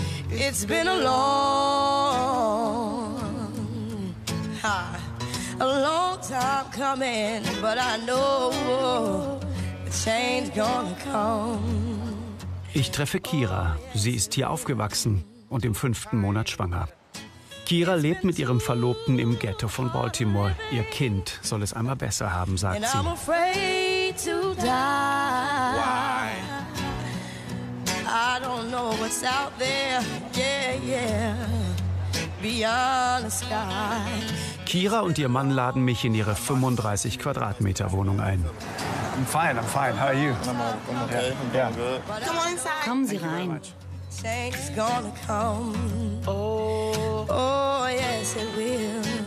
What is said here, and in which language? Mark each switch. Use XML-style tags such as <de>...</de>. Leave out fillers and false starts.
<en>It's been a long, a long time coming, but I know the change gonna come.</en> <de>Ich treffe Kira. Sie ist hier aufgewachsen und im fünften Monat schwanger. Kira lebt mit ihrem Verlobten im Ghetto von Baltimore. Ihr Kind soll es einmal besser haben, sagt sie.</de> <en>And I'm afraid to die. Why? I don't know what's out there, yeah, yeah, beyond the sky.</en> <de>Kira und ihr Mann laden mich in ihre 35 Quadratmeter Wohnung ein.</de> <en>I'm fine, how are you? I'm okay, yeah. Yeah. Come on inside.</en> <de>Kommen Sie rein.</de> <en>Change is gonna come. Oh, oh yes it will.</en>